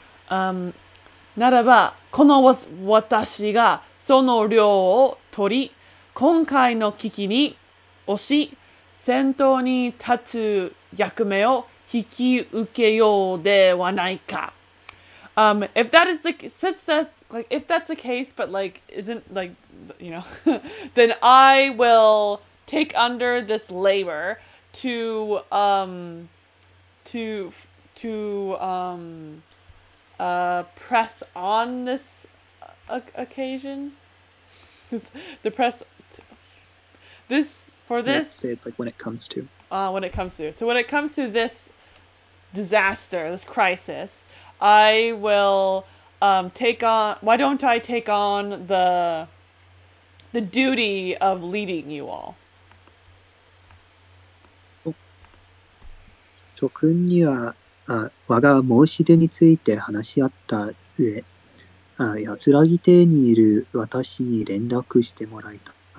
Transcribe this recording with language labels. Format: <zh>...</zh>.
<ja>ならば、私がその量を取り、今回の危機に押し、先頭に立つ役目を引き受けようではないか。</ja> <en>If that is the since that's like if that's the case, but like isn't like then I will take under this labor to press on this occasion. The press this. For Yeah, this, say it's like when it comes to. when it comes to, so when it comes to this disaster, this crisis, I will take on. Why don't I take on the duty of leading you all?</en> <ja>君には、我が申し出について話し合った上、安らぎ邸にいる私に連絡してもらいたい。</ja>